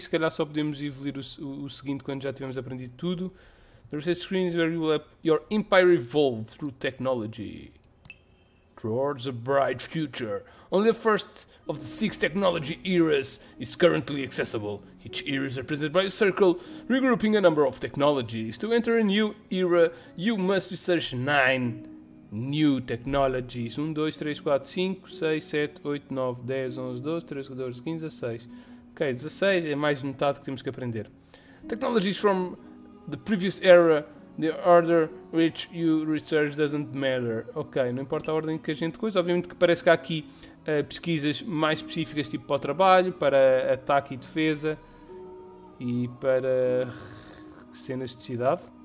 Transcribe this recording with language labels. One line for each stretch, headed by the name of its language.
Portuguese: Se calhar só podemos evoluir o seguinte quando já tivermos aprendido tudo.
English: The research screen is where you will have your empire evolve through technology. Towards a bright future. Only the first of the 6 technology eras is currently accessible. Each era is represented by a circle, regrouping a number of technologies. To enter a new era, you must research 9 new technologies. 1, 2, 3, 4, 5, 6, 7, 8, 9, 10, 11, 12, 13, 14, 15, 16.
Portuguese: Ok, 16 é mais de metade que temos que aprender.
English: Technologies from the previous era. The order which you research doesn't matter.
Portuguese: Ok, não importa a ordem que a gente coisa. Obviamente que parece que há aqui pesquisas mais específicas, tipo para o trabalho, para ataque e defesa e para cenas de cidade.